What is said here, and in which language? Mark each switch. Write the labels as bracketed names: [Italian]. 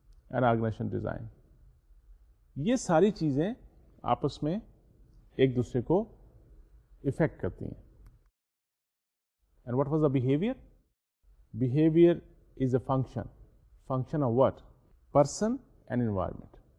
[English] And organisation design. [Urdu] یہ ساری چیزیں آپس میں ایک دوسرے کو افیکٹ کرتی ہیں. [English] And what was the behaviour? Behaviour is a function. Function of what? Person and environment.